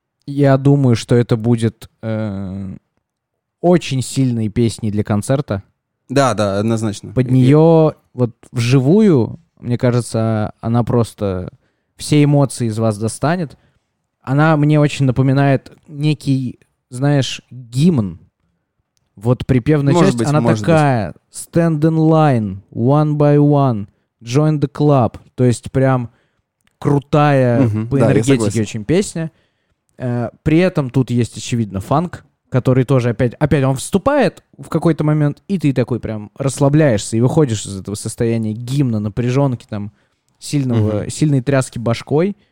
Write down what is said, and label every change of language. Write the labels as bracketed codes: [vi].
[ru] Я думаю, что это будет очень сильной песней для концерта. Да, да, однозначно. Под нее, вот вживую, мне кажется, она просто все эмоции из вас достанет. Она мне очень напоминает некий, знаешь, гимн. Вот припевная может часть, быть, она такая. Быть. [en] Stand in line, one by one, join the club. [ru] То есть прям крутая по энергетике очень песня. При этом тут есть, очевидно, фанк, который тоже опять он вступает в какой-то момент, и ты такой прям расслабляешься и выходишь из этого состояния гимна, напряженки, там, сильной тряски башкой.